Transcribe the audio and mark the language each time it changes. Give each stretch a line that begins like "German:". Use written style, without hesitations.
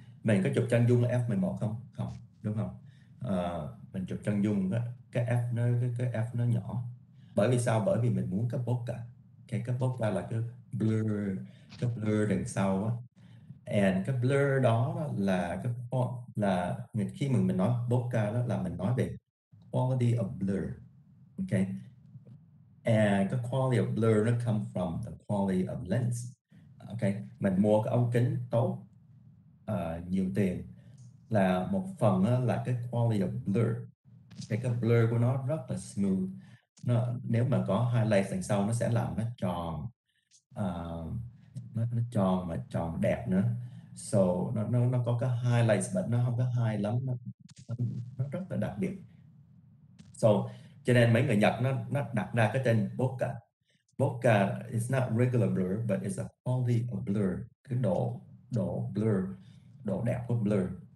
Vietnamese: Mình có chụp chân dung là f11 không? Không đúng không. Mình chụp chân dung đó, cái f nó nhỏ bởi vì sao, bởi vì mình muốn cái bokeh. Cái bokeh là cái blur đằng sau á, and cái blur đó là cái point, là khi mà mình nói bokeh đó là mình nói về
English: quality of blur.
Vietnamese: Ok, and cái
English: quality of blur
Vietnamese: nó
English: come from the quality of lens.
Vietnamese: Ok, mình mua cái ống kính tốt, nhiều tiền là một phần á, là cái
English: quality of blur.
Vietnamese: Cái blur của nó rất là smooth. Nếu mà có highlight đằng sau nó sẽ làm nó tròn, nó tròn mà tròn đẹp nữa. So nó có cái highlight mà nó không có high lắm, nó rất là đặc biệt. So cho nên mấy người Nhật nó đặt ra cái tên bokeh.
English: Bokeh is not regular blur but it's a quality of blur.
Vietnamese: Cái độ độ blur, độ đẹp của blur.